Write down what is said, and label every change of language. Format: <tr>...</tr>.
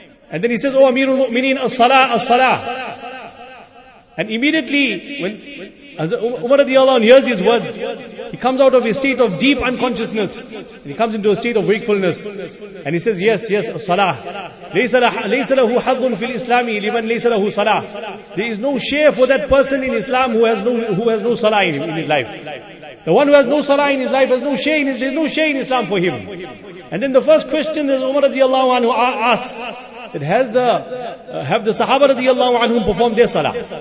<en>And then he says, oh Amirul Mu'mineen, As-Salah, As-Salah. And immediately, when Umar radiallahu anhu hears these words, he comes out of his state of deep unconsciousness, and he comes into a state of wakefulness, and he says, yes, yes, salah.</en> <ar>لَيْسَ لَهُ حَظٌ فِي الْإِسْلَامِ لِمَنْ لَيْسَ لَهُ salah.</ar> <en>There is no share for that person in Islam who has no salah in his life. The one who has no salah in his life has no share in his, there's no share in Islam for him. And then the first question is Umar radiallahu anhu asks, that has the have the Sahaba radiallahu anhu performed their salah?</en>